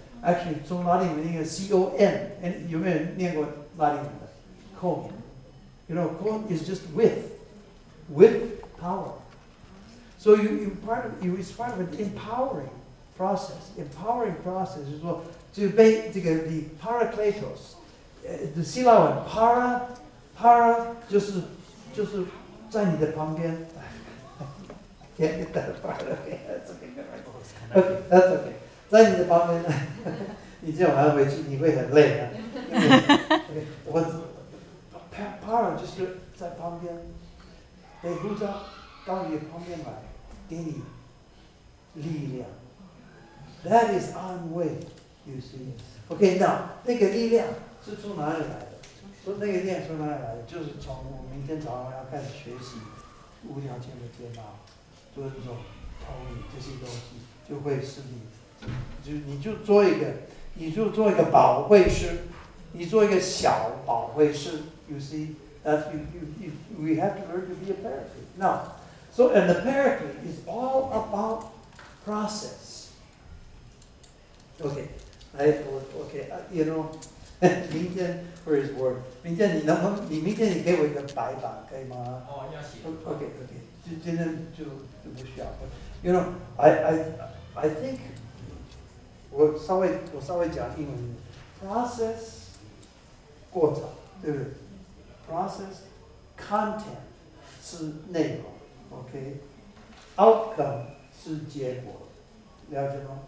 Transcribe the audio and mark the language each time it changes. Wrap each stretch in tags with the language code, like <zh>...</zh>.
<en>Actually,</en> <zh>从拉丁文应该 C-O-M. 有没有念过拉丁文的 com?</zh> <en>You know, com is just with power. So it's part of an empowering process. Empowering process is what,</en> <zh>就被这个</zh> <en>the paracletos，</en> <zh>的希腊文 para 就是在你的旁边，也带了 para，OK，OK，OK，OK， 在你的旁边，你今晚回去你会很累啊。 Okay, 我 para 就是在旁边，被护照到你旁边来，给你力量。</zh> <en>That is our way。 You see? Okay, now,</en> <zh>那个力量是从哪里来的？说那个力量从哪里来的？就是从我明天早上要开始学习无条件的接纳、尊重、同意这些东西，就会使你，你就做一个保惠师，你做一个小保惠师。</zh> <en>You see? That we have to learn to be a paraclete. Now, so and the paraclete is all about process. Okay. I okay, you know,</en> <zh>明天</zh> <en>for his word.</en> <zh>明天你能不能？你明天你给我一个白板，可以吗？哦，要写。 Okay. 今天就不需要了。</zh> <en>You know, I think</en> <zh>我稍微讲英文 ，process 过程，对不对 ？Process content 是内容 ，okay. Outcome 是结果，了解吗？</zh>